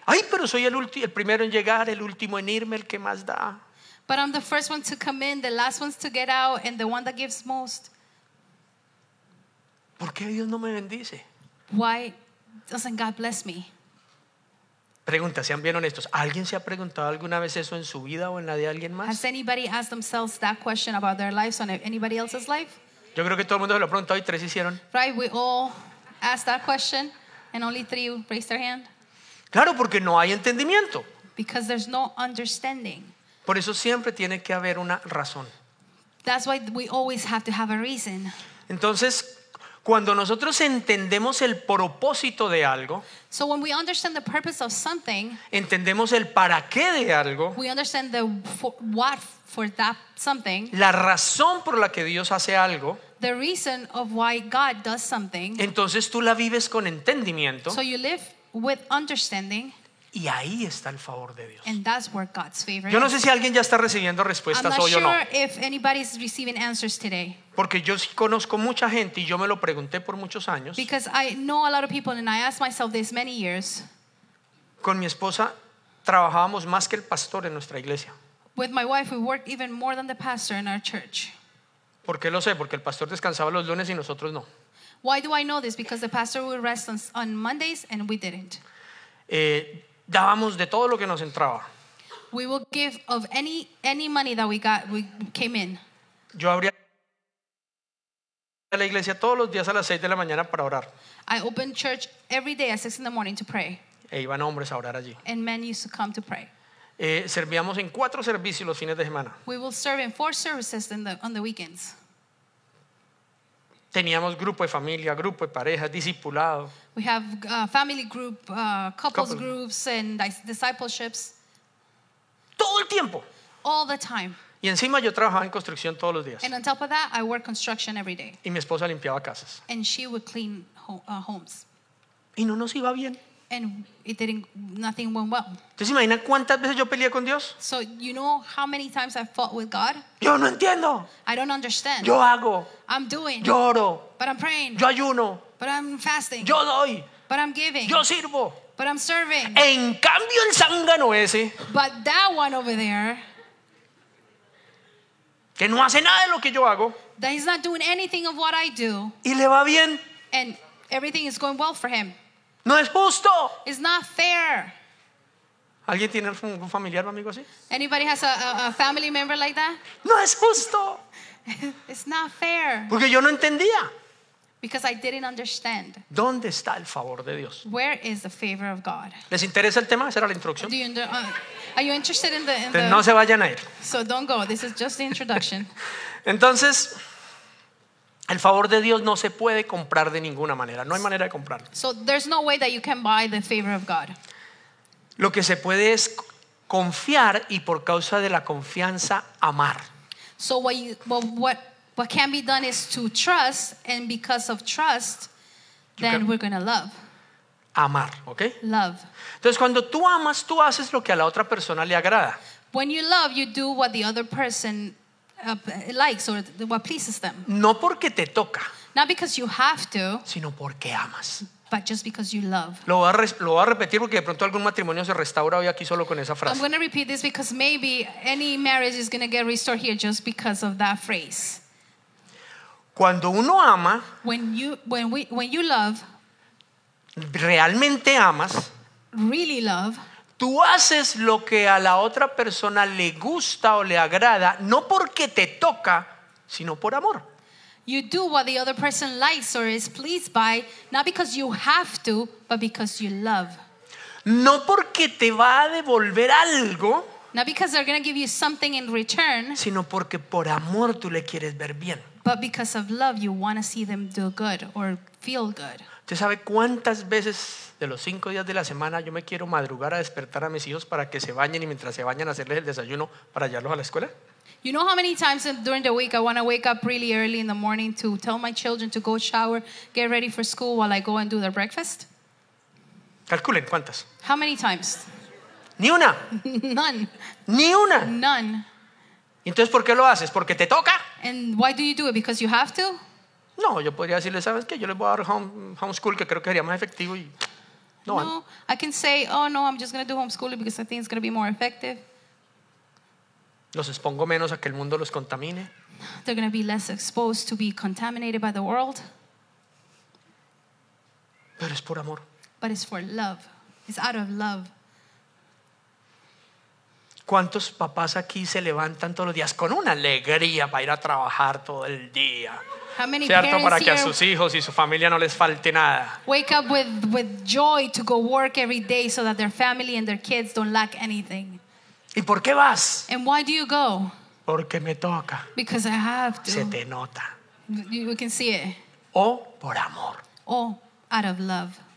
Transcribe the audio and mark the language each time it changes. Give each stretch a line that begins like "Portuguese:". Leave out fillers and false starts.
Spanish: Ay, pero soy el primero en llegar, el último en irme, el que más da.
English: But I'm the first one to come in, the last one to get out, and the one that gives most.
Spanish: ¿Por qué Dios no me bendice?
English: Why doesn't God bless me?
Spanish: Pregunta, sean bien honestos. ¿Alguien se ha preguntado alguna vez eso en su vida o en la de alguien más?
English: Has anybody asked themselves that question about their lives on anybody else's life?
Spanish: Yo creo que todo el mundo se lo ha preguntado y tres hicieron.
English: Right, we all asked that question, and only three raised their hand.
Spanish: Claro, porque no hay entendimiento.
English: Because there's no understanding.
Spanish: Por eso siempre tiene que haber una razón.
English: That's why we always have to have a reason.
Spanish: Entonces, cuando nosotros entendemos el propósito de algo,
English: so when we understand the purpose of something,
Spanish: entendemos el para qué de algo,
English: we understand the what for that something,
Spanish: la razón por la que Dios hace algo,
English: the reason of why God does something,
Spanish: entonces tú la vives con entendimiento.
English: So you live with understanding.
Spanish: Y ahí está el favor de Dios.
English: And that's where God's favor
Spanish: is. Yo no sé si alguien ya está recibiendo respuestas hoy o no.
English: I'm not sure if anybody's receiving answers today.
Spanish: Porque yo sí conozco mucha gente y yo me lo pregunté por muchos años.
English: Because I know a lot of people and I asked myself this many years.
Spanish: Con mi esposa trabajábamos más que el pastor en nuestra iglesia.
English: With my wife we worked even more than the pastor in our church.
Spanish: ¿Por qué lo sé? Porque el pastor descansaba los lunes y nosotros no.
English: Why do I know this? Because the pastor would rest on Mondays and we didn't.
Spanish: Dábamos de todo lo que nos entraba.
English: We will give of any money that we got, we came in.
Spanish: Yo abría la iglesia todos los días a las 6 de la mañana para orar.
English: I opened church every day at 6 in the morning to pray.
Spanish: E iban hombres a orar allí.
English: And men used to come to pray.
Spanish: Servíamos en 4 servicios los fines de semana.
English: We will serve in 4 services on the weekends.
Spanish: Teníamos grupo de familia, grupo de pareja, discipulado.
English: We have family group, couples groups, and discipleships.
Spanish: Todo el tiempo.
English: All the time.
Spanish: Y encima yo trabajaba en construcción todos los días.
English: And on top of that, I work construction every day.
Spanish: Y mi esposa limpiaba casas.
English: And she would clean homes.
Spanish: Y no nos iba bien.
English: And nothing went well.
Spanish: ¿Entonces imagina cuántas veces yo peleé con Dios?
English: So you know how many times I fought with God?
Spanish: Yo no entiendo.
English: I don't understand.
Spanish: Yo hago.
English: I'm doing.
Spanish: Yo oro.
English: But I'm praying.
Spanish: Yo ayuno.
English: But I'm fasting.
Spanish: Yo doy.
English: But I'm giving.
Spanish: Yo sirvo.
English: But I'm serving.
Spanish: En cambio el zángano ese.
English: But that one over there.
Spanish: Que no hace nada de lo que yo hago.
English: That he's not doing anything of what I do.
Spanish: Y le va bien.
English: And everything is going well for him.
Spanish: No es justo.
English: It's not fair.
Spanish: ¿Alguien tiene algún familiar o amigo así?
English: Anybody has a family member like that?
Spanish: No es justo.
English: It's not fair.
Spanish: Porque yo no entendía.
English: Because I didn't understand.
Spanish: ¿Dónde está el favor de Dios?
English: Where is the favor of God?
Spanish: ¿Les interesa el tema? Esa era la introducción.
English: Are you interested in the?
Spanish: No se vayan a ir.
English: So don't go. This is just the introduction.
Spanish: Entonces, el favor de Dios no se puede comprar de ninguna manera. No hay manera de comprarlo.
English: So there's no way that you can buy the favor of God.
Spanish: Lo que se puede es confiar y por causa de la confianza amar.
English: So what can be done is to trust, and because of trust, then we're going to love.
Spanish: Amar, ¿okay?
English: Love.
Spanish: Entonces cuando tú amas, tú haces lo que a la otra persona le agrada.
English: When you love, you do what the other person likes or what pleases them.
Spanish: No porque te toca.
English: Not because you have to,
Spanish: sino porque amas.
English: But just because you love.
Spanish: Lo voy a repetir porque de pronto algún matrimonio se restaura hoy aquí solo con esa frase.
English: I'm going to repeat this because maybe any marriage is going to get restored here just because of that phrase.
Spanish: Cuando uno ama,
English: when you love,
Spanish: realmente amas,
English: really love,
Spanish: tú haces lo que a la otra persona le gusta o le agrada, no porque te toca, sino por amor.
English: You do what the other person likes or is pleased by, not because you have to, but because you love.
Spanish: No porque te va a devolver algo,
English: not because they're going to give you something in return,
Spanish: sino porque por amor tú le quieres ver bien.
English: But because of love, you want to see them do good or feel good.
Spanish: ¿Usted sabe cuántas veces de los 5 días de la semana yo me quiero madrugar a despertar a mis hijos para que se bañen y mientras se bañan hacerles el desayuno para llevarlos a la escuela?
English: You know how many times during the week I want to wake up really early in the morning to tell my children to go shower, get ready for school while I go and do their breakfast?
Spanish: Calculen cuántas.
English: How many times?
Spanish: Ni una.
English: None.
Spanish: Ni una.
English: None.
Spanish: ¿Y entonces por qué lo haces? ¿Porque te toca?
English: And why do you do it? Because you have to?
Spanish: No, yo podría decirle, ¿sabes qué? Yo les voy a dar homeschool que creo que sería más efectivo y no.
English: No, I can say, oh no, I'm just going to do homeschooling because I think it's going to be more effective.
Spanish: Los expongo menos a que el mundo los contamine.
English: They're going to be less exposed to be contaminated by the world.
Spanish: Pero es por amor.
English: But it's for love. It's out of love.
Spanish: ¿Cuántos papás aquí se levantan todos los días con una alegría para ir a trabajar todo el día?
English: How many
Spanish: ¿cierto?
English: Parents
Spanish: para que
English: here
Spanish: a sus hijos y su familia no les falte nada.
English: Wake up with joy to go work every day so that their family and their kids don't lack anything.
Spanish: ¿Y por qué vas?
English: And why do you go?
Spanish: Porque me toca.
English: Because I have to.
Spanish: Se te nota.
English: We can see it.
Spanish: O por amor.
English: O out of love.